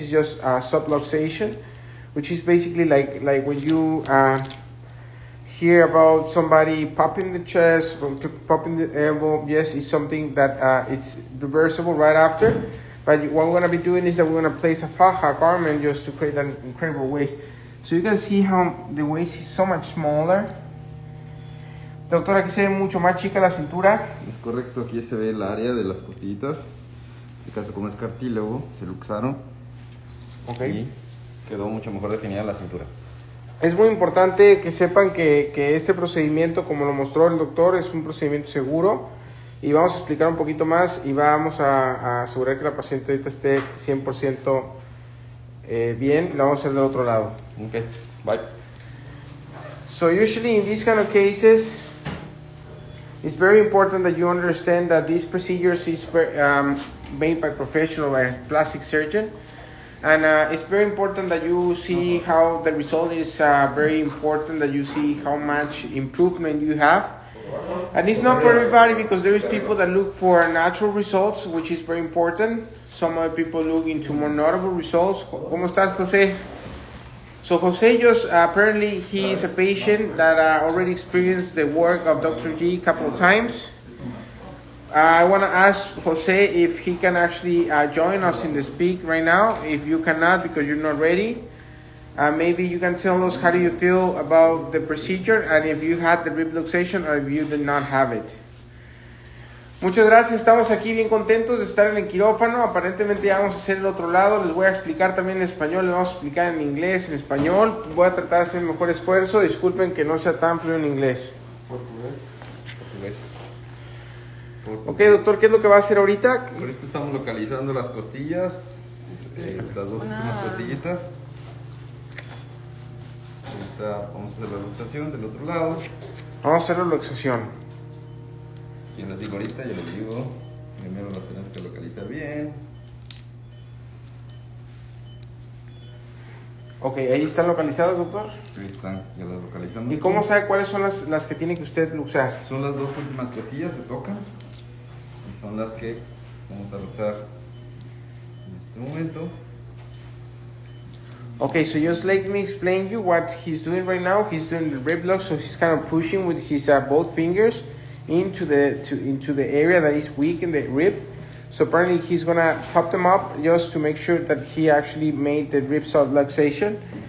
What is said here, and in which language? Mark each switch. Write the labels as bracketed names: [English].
[English] It's just subluxation, which is basically like when you hear about somebody popping the chest, popping the elbow. Yes, it's something that it's reversible right after, but what we're going to be doing is that we're going to place a faja garment just to create an incredible waist. So you can see how the waist is so much smaller. [Spanish] Doctor, aquí se ve mucho más chica la cintura. Es correcto, aquí se ve el área de las costillitas. En este caso, como es cartílago, se luxaron. Ok. Y quedó mucho mejor definida la cintura. Es muy importante que sepan que este procedimiento, como lo mostró el doctor, es un procedimiento seguro. Y vamos a explicar un poquito más y vamos a asegurar que la paciente ahorita esté 100% bien, lo vamos a hacer del otro lado. [English] Okay, bye. So usually in these kind of cases, it's very important that you understand that these procedures is made by professional, by a plastic surgeon. And it's very important that you see how the result is very important, that you see how much improvement you have. And it's not for everybody, because there is people that look for natural results, which is very important. Some other people look into more notable results. [Spanish] ¿Cómo estás, José? [English] So José just, apparently he is a patient that already experienced the work of Dr. G a couple of times. I want to ask José if he can actually join us in the speak right now. If you cannot, because you're not ready, maybe you can tell us how do you feel about the procedure, and if you had the rib luxation or if you did not have it. [Spanish] Muchas gracias, estamos aquí bien contentos de estar en el quirófano. Aparentemente ya vamos a hacer el otro lado. Les voy a explicar también en español, les vamos a explicar en inglés, en español. Voy a tratar de hacer el mejor esfuerzo. Disculpen que no sea tan fluido en inglés. Portugués. Ok, doctor, ¿qué es lo que va a hacer ahorita? Ahorita estamos localizando las costillas, las dos últimas costillitas. Ahorita vamos a hacer la luxación del otro lado. Vamos a hacer la luxación. Yo les digo ahorita, yo les digo, primero las tenemos que localizar bien. Ok, ¿ahí están localizadas, doctor? Ahí están, ya las localizamos. ¿Y cómo sabe cuáles son las que tiene que usted luxar? Son las dos últimas costillas, se tocan, y son las que Vamos a lanzar en este momento. [English] Okay, so just let me explain you what he's doing right now. He's doing the rib lock, so he's kind of pushing with his both fingers into the area that is weak in the rib. So apparently he's gonna pop them up just to make sure that he actually made the rib subluxation.